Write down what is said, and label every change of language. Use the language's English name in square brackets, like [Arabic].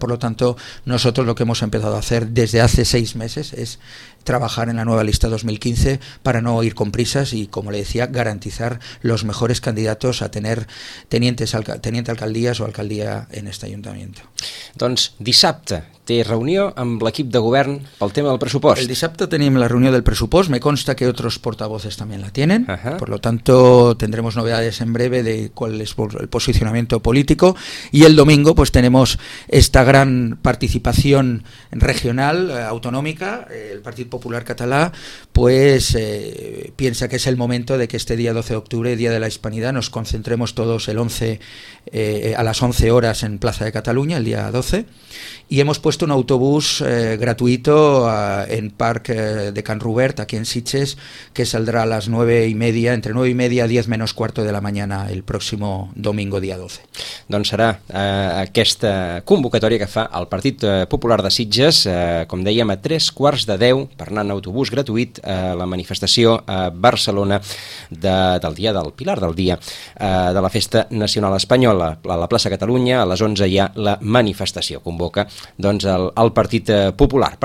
[Spanish] Por lo tanto, nosotros lo que hemos empezado a hacer desde hace 6 meses es trabajar en la nueva lista 2015 para no ir con prisas y, como le decía, garantizar los mejores candidatos a tener teniente alcaldías o alcaldía en este ayuntamiento. [Catalan] Doncs dissabte té reunió amb l'equip de govern pel tema del pressupost. El dissabte tenim la reunió del pressupost, [Spanish] me consta que otros portavoces también la tienen. Uh-huh. Por lo tanto, tendremos novedades en breve de cuál es el posicionamiento político, y el domingo pues tenemos esta gran participación regional, autonómica. El Partit Popular Català pues piensa que es el momento de que este día 12 de octubre, Día de la Hispanidad, nos concentremos todos el 11 a las 11 horas en Plaza de Cataluña, el día 12, y hemos puesto puesto un autobús gratuito en Parc de Can Robert, aquí en Sitges, que saldrá a las 9:30, entre 9:30 y 10:45 de la mañana, el próximo domingo, día 12. [Catalan] Doncs serà aquesta convocatòria que fa el Partit Popular de Sitges, com dèiem, a 9:45, per anar en autobús gratuït a la manifestació a Barcelona del dia del Pilar, del dia de la Festa Nacional Espanyola. A la plaça Catalunya, a les 11, hi ha la manifestació, convoca doncs el Partit Popular.